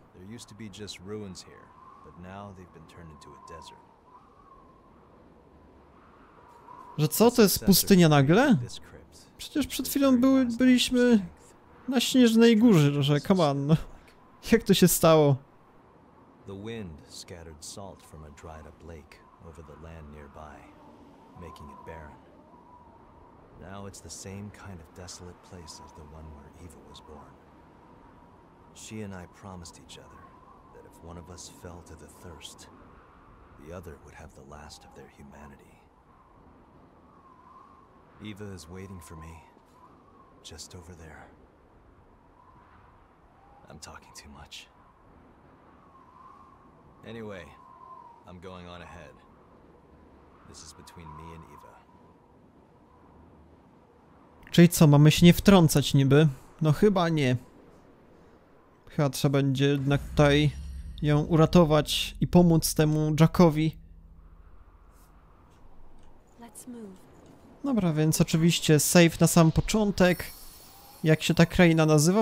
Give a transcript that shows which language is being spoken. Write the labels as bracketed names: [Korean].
[English] There used to be just ruins here, but now they've been turned into a desert. [Polish] Że co, to jest pustynia nagle? Przecież przed chwilą byliśmy na śnieżnej górze, że [English] come on. [Polish] Jak to się stało? [English] The wind scattered salt from a dried up lake over the land nearby, making it barren. Now it's the same kind of desolate place as the one where Eve was born. She and I promised each other that if one of us fell to the thirst, the other would have the last of their humanity. Eva is waiting for me. Just over there. I'm talking too much. Anyway, I'm going on ahead. This is between me and Eva. [Polish] Czyli co, mamy się nie wtrącać niby? No chyba nie. Chyba trzeba będzie jednak tutaj ją uratować i pomóc temu Jackowi. Dobra, więc oczywiście save na sam początek. Jak się ta kraina nazywa?